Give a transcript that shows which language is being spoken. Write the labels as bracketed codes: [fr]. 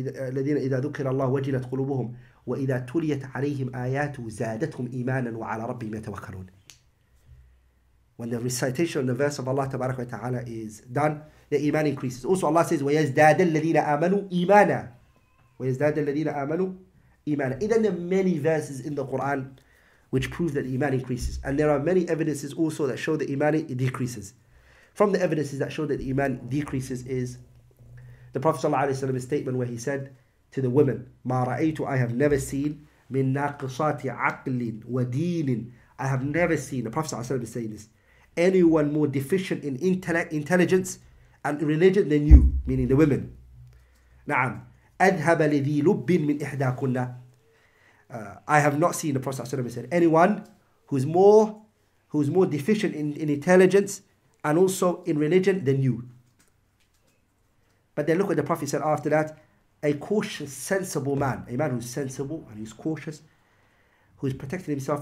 [ar] الذين إذا ذكر الله وجلت قلوبهم وإذا تليت عليهم آيات زادتهم إيمانا وعلى ربهم يتوكلون. [en] When the recitation of the verse of Allah [ar] تبارك وتعالى [en] is done, the iman increases. Also Allah says [ar] ويزداد الذين آمنوا إيمانا ويزداد الذين آمنوا إيمانا. [en] Then there are many verses in the Quran which prove that iman increases, and there are many evidences also that show that iman decreases. From the evidences that show that iman decreases is the Prophet's statement where he said to the women, [ar] مَا رَأَيْتُ [en] I have never seen [ar] مِن نَاقِصَاتِ عَقْلٍ وَدِينٍ. [en] I have never seen, the Prophet is saying this, anyone more deficient in intelligence and religion than you, meaning the women. [ar] نعم, أَذْهَبَ لِذِي لُبِّن مِنْ إِحْدَاكُنَّ. [en] I have not seen, the Prophet said, anyone who's more deficient in intelligence and also in religion than you. But then look what the Prophet said after that. A cautious, sensible man. A man who's sensible and he's cautious. Who's protecting himself.